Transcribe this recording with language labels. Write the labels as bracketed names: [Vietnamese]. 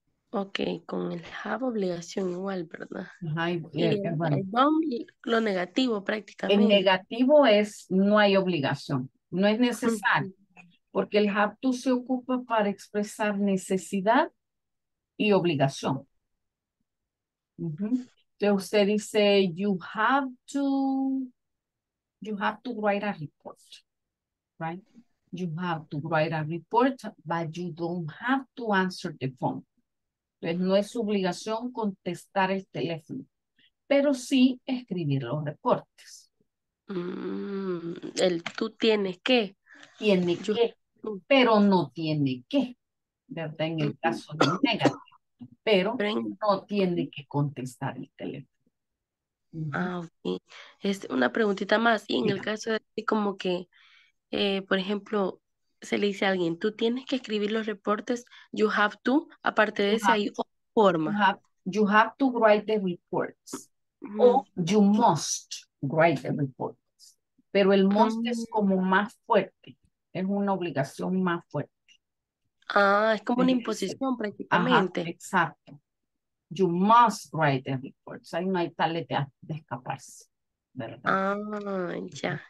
[Spanish] Ok, con el have obligación igual, ¿verdad? Ajá, lo negativo prácticamente. El negativo es no hay obligación, no es necesario, porque el have to se ocupa para expresar necesidad y obligación. Entonces usted dice, [English] you have to write a report, right? You have to write a report, but you don't have to answer the phone. [Spanish] Entonces, no es obligación contestar el teléfono, pero sí escribir los reportes. El tú tienes que. Tiene yo, que, pero no tiene que, ¿verdad? En el caso de negativo, pero no tiene que contestar el teléfono. Ah, ok. Es una preguntita más. Y en el caso de como que, por ejemplo, se le dice a alguien, tú tienes que escribir los reportes, [English] you have to, [Spanish] aparte de eso hay otra forma. [English] You have to write the reports, o you must write the reports. [Spanish] Pero el must es como más fuerte, es una obligación más fuerte. Ah, es como una imposición prácticamente. Ajá, exacto. [English] You must write the reports, [Spanish] ahí no hay tal idea de escaparse. ¿Verdad? Ah, ya.